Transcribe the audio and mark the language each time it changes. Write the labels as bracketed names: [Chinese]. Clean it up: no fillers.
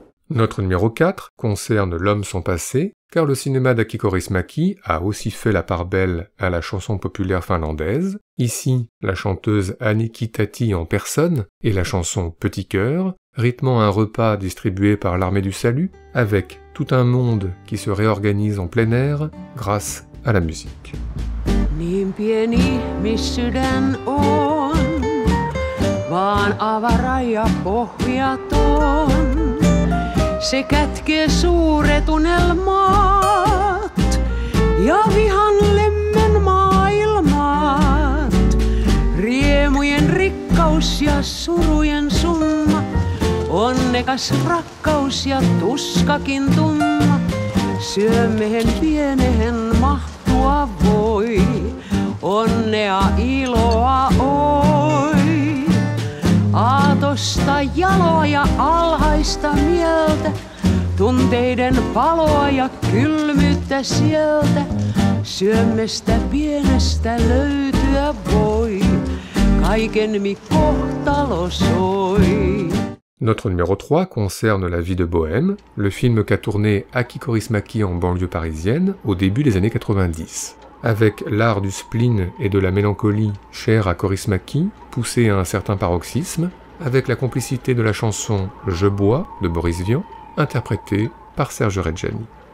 [French] Notre numéro 4 concerne l'homme sans passé, car le cinéma d'Aki Korismaki a aussi fait la part belle à la chanson populaire finlandaise. Ici, la chanteuse Annika Tati en personne et la chanson Petit Cœur, rythmant un repas distribué par l'Armée du Salut, avec tout un monde qui se réorganise en plein air grâce à la musique. [Finnish] Niin pieni mi sydän on, vaan avaraja pohjaton. Se kätkee suuret unelmat ja vihan lemmen maailmat. Riemujen rikkaus ja surujen summa, onnekas rakkaus ja tuskakin tumma. Syömmehen pienehen mahtua voi, onnea iloa oi. Aatosta jaloa ja alhaista mieltä, tunteiden valoa ja kylmyyttä sieltä, syömmestä pienestä löytyä voi, kaiken mi kohtalo soi. [French] Notre numéro 3 concerne La vie de Bohème, le film qu'a tourné Aki Korismaki en banlieue parisienne au début des années 90. Avec l'art du spleen et de la mélancolie cher à Korismaki, poussé à un certain paroxysme, avec la complicité de la chanson « Je bois » de Boris Vian, interprétée par Serge Reggiani.